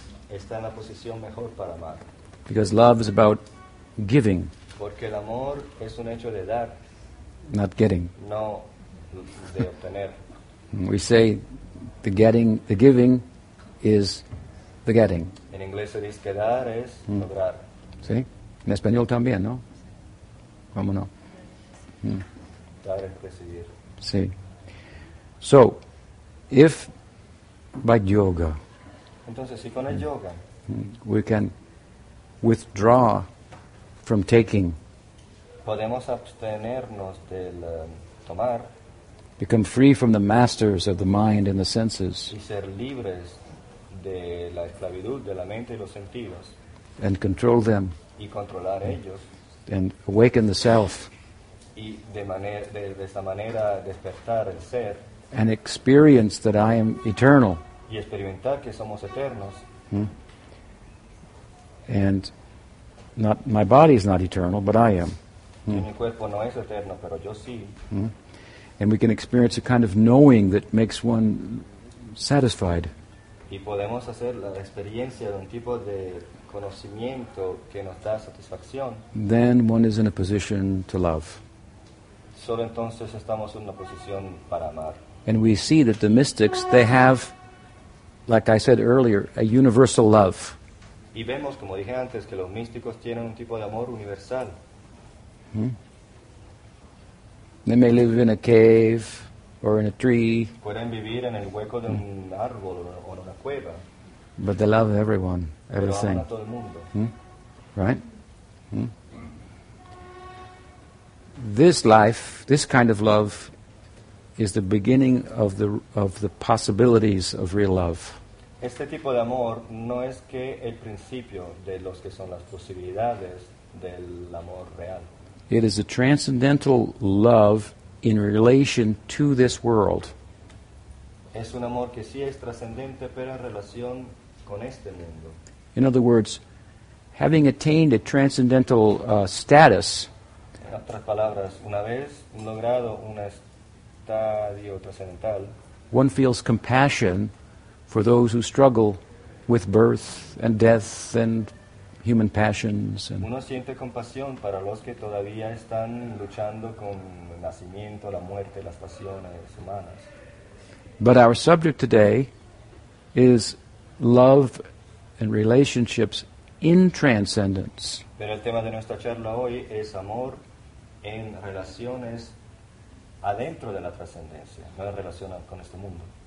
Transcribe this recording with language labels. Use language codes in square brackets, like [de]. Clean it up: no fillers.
[es] Está en la posición mejor para amar. [en] Because love is about giving. [es] Porque el amor es un hecho de dar. [en] Not getting. [es] No, de obtener. [en] We say the getting, the giving is the getting. [es] En inglés se dice que dar es lograr. Sí. En español también, ¿no? ¿Cómo no? Dar es recibir. [en] Sí. So, if by yoga, [es] entonces, si con el yoga, [en] we can withdraw from taking, [es] podemos abstenernos del tomar, [en] become free from the masters of the mind and the senses, [es] y ser libres de la esclavitud de la mente y los sentidos, [en] and control them, [es] y controlar ellos, [en] and awaken the self, [es] y de esa manera despertar el ser, [en] and experience that I am eternal, [es] y experimentar que somos eternos, [en] and not my body is not eternal, but I am. [es] Mi cuerpo no es eterno, pero yo sí. [en] And we can experience a kind of knowing that makes one satisfied. [es] y podemos hacer la experiencia de un tipo de conocimiento que nos da satisfacción, [en] then one is in a position to love. [es] Solo entonces estamos en una posición para amar. [en] And we see that the mystics, they have, like I said earlier, a universal love. [es] Y vemos, como dije antes, que los místicos tienen un tipo de amor universal. [en] They may live in a cave or in a tree. [es] Pueden vivir en el hueco de un árbol o en una cueva. [en] But they love everyone, everything. [es] Pero aman a todo el mundo. [en] Right? This life, this kind of love, is the beginning of the possibilities of real love. [es] Este tipo de amor no es que el principio de los que son las posibilidades del amor real. [en] It is a transcendental love in relation to this world. [es] Es un amor que sí es trascendente, pero en relación con este mundo. [en] In other words, having attained a transcendental status. [es] En otras palabras, una vez logrado un estadio trascendental, [en] one feels compassion for those who struggle with birth and death and human passions. And [es] uno siente compasión para los que todavía están luchando con el nacimiento, la muerte, las pasiones humanas. [en] But our subject today is love and relationships in transcendence. [es] Pero el tema de nuestra charla hoy es amor en relaciones adentro de la trascendencia, no en relación con este mundo.